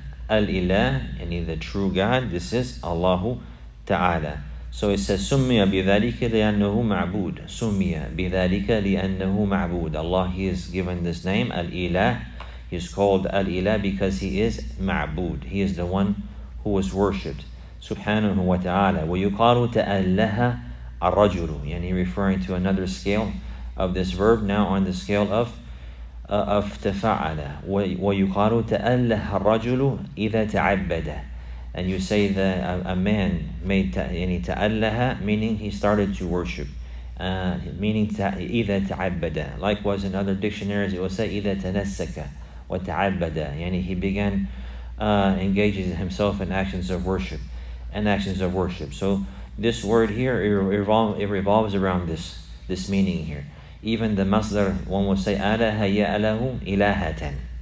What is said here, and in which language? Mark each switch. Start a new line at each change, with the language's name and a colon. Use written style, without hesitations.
English: الْإِلَاهُ, meaning the true God, this is Allahu Ta'ala. So it says,
Arabic: سُمِّيَ بِذَلِكَ لِأَنَّهُ مَعْبُودٌ. سُمِّيَ بِذَلِكَ لِأَنَّهُ مَعْبُودٌ.
English: Allah, He is given this name, الْإِلَاهُ. He is called الْإِلَاهُ because He is مَعْبُودٌ. He is the one who was worshipped.
Arabic: Subhanahu wa ta'ala. وَيُقَالُ تَأَلَّهَ الرَّجُلُ.
English: Yani referring to another scale of this verb, now on the scale of تَفَعَلَ.
Arabic: وَيُقَالُ تَأَلَّهَ الرَّجُلُ إِذَا تَعَبَّدَ.
English: And you say that a man made تَأَلَّهَ, meaning he started to worship. Meaning
Arabic: إِذَا تَعَبَّدَ.
English: Likewise in other dictionaries it will say
Arabic: إِذَا تَنَسَّكَ وَتَعَبَّدَ.
English: Yani he began engaging himself in actions of worship. And actions of worship. So this word here, it revolves around this meaning here. Even the masdar, one would say
Arabic: alaha ya'lahu ilahatan.